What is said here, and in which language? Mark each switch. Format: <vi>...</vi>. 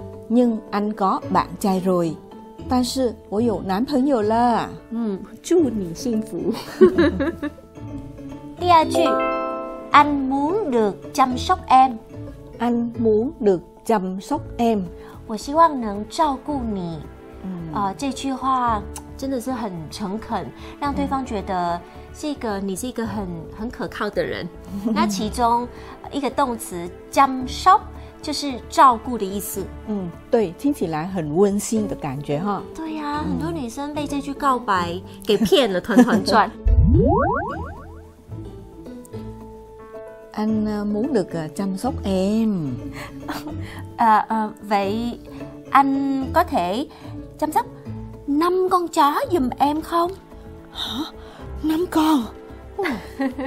<vi>Nhưng anh có bạn trai rồi.</vi> <zh>但是我有男朋友了。祝你幸福。第二句，</zh> <vi>Anh muốn được chăm sóc em. Anh muốn được chăm sóc em.</vi> <zh>我希望能照顾你。这句话真的是很诚恳，让对方觉得是一个你是一个很可靠的人。那其中一个动词chăm sóc就是照顾的意思。对，听起来很温馨的感觉哈。对呀，啊，很多女生被这句告白给骗了，团团转。</zh> <vi>Anh muốn được chăm sóc em. Vậy anh có thể chăm sóc năm con chó giùm em không? Hả? Năm con?</vi>